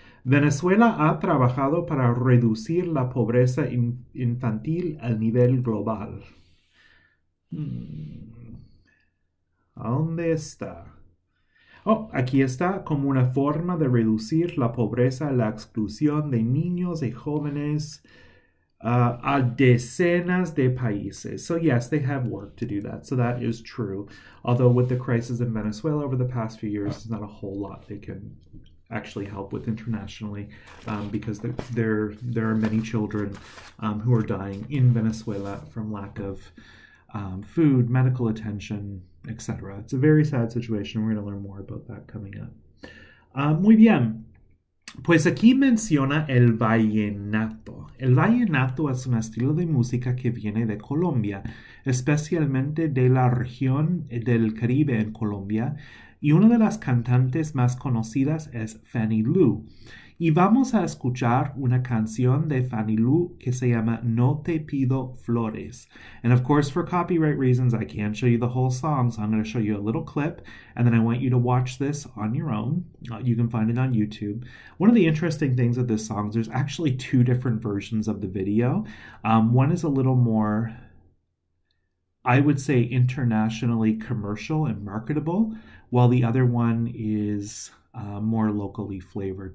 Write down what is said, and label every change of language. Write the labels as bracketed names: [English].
[Spanish] Venezuela ha trabajado para reducir la pobreza infantil al nivel global. ¿A dónde está? Oh, aquí está como una forma de reducir la pobreza, la exclusión de niños y jóvenes a decenas de países. [English] So yes, they have work to do that. So that is true. Although with the crisis in Venezuela over the past few years, there's not a whole lot they can actually help with internationally because there are many children who are dying in Venezuela from lack of food, medical attention, etc. It's a very sad situation. We're going to learn more about that coming up. [Spanish] Muy bien. Pues aquí menciona el vallenato. El vallenato es un estilo de música que viene de Colombia, especialmente de la región del Caribe en Colombia, y una de las cantantes más conocidas es Fanny Lu. Y vamos a escuchar una canción de Fanny Lu que se llama No Te Pido Flores. [English] And of course, for copyright reasons, I can't show you the whole song, so I'm going to show you a little clip, and then I want you to watch this on your own. You can find it on YouTube. One of the interesting things of this song is there's actually two different versions of the video. One is a little more, I would say, internationally commercial and marketable, while the other one is more locally flavored.